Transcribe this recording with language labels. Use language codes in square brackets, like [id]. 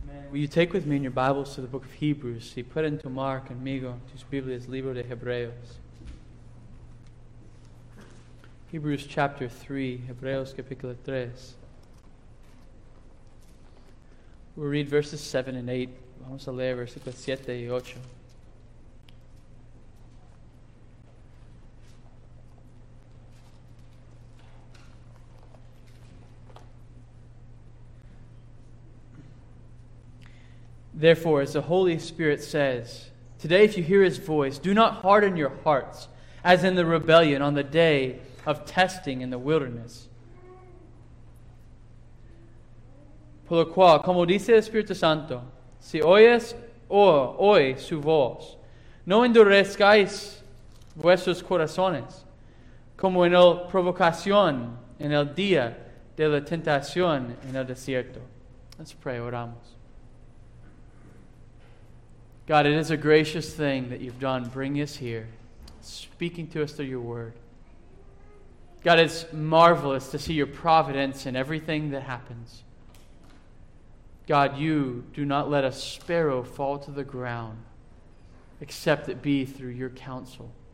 [en] will you take with me in your Bibles to the book of Hebrews? [es] Si pueden tomar conmigo tus Biblias, libro de Hebreos. [en] Hebrews chapter 3, [es] Hebreos capítulo 3. [en] We'll read verses 7 and 8. [es] Vamos a leer versículos 7 y 8. [en] Therefore, as the Holy Spirit says, today if you hear His voice, do not harden your hearts, as in the rebellion on the day of testing in the wilderness. [es] Por lo cual, como dice el Espíritu Santo, si oyes hoy su voz, no endurezcáis vuestros corazones, como en la provocación en el día de la tentación en el desierto. [en] Let's pray, [es] oramos. [en] God, it is a gracious thing that you've done, bringing us here, speaking to us through your word. God, it's marvelous to see your providence in everything that happens. God, you do not let a sparrow fall to the ground, except it be through your counsel.